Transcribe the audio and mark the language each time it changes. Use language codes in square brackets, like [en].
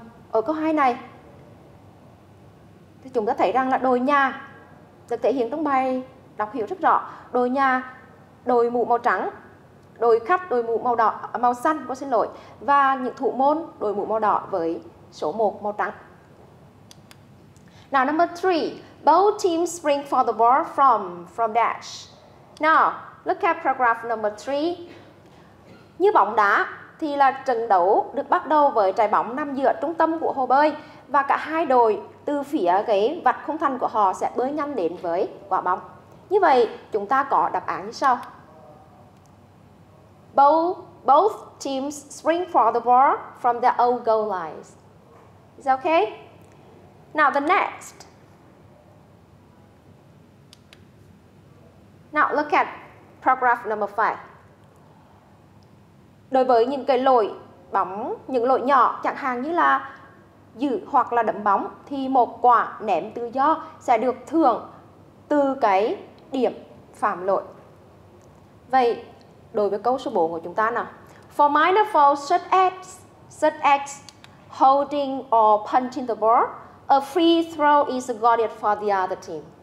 [vi] Ở câu 2 này, thì chúng ta thấy rằng là đội nhà được thể hiện trong bài đọc hiểu rất rõ. Đội nhà, đội mũ màu trắng, đội khách đội mũ màu đỏ, màu xanh, cô xin lỗi, và những thủ môn đội mũ màu đỏ với số 1 màu trắng. [en] Now number 3, both teams spring for the ball from dash. Now, look at paragraph number 3. [vi] Như bóng đá thì là trận đấu được bắt đầu với trái bóng nằm giữa trung tâm của hồ bơi, và cả hai đội từ phía cái vạch khung thành của họ sẽ bơi nhanh đến với quả bóng. Như vậy, chúng ta có đáp án như sau. [en] Both teams spring for the ball from their own goal lines. Is okay? Now the next. Now look at paragraph number 5. [vi] Đối với những cái lỗi bóng, những lỗi nhỏ, chẳng hạn như là giữ hoặc là đấm bóng thì một quả ném tự do sẽ được thưởng từ cái điểm phạm lỗi. Vậy đối với câu số 4 của chúng ta nào. [en] For minor fouls such as holding or punching the ball, a free throw is awarded for the other team.